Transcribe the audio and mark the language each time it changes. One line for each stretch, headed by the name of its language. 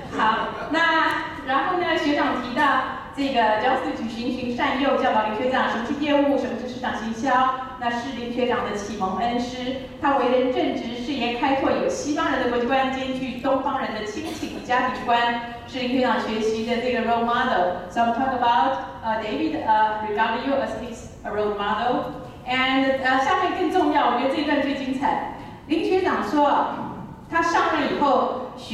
Chinese: 好，那然后呢？学长提到这个John Stich循循善诱，教导林学长什么是业务，什么是市场行销，那是林学长的启蒙恩师。他为人正直，事业开拓，有西方人的国际观，兼具东方人的亲情家庭观，是林学长学习的这个
English: role model. So I'm talking about David regarding you as his role model.
Chinese: And 下面更重要，我觉得这一段最精彩。林学长说，他上任以后。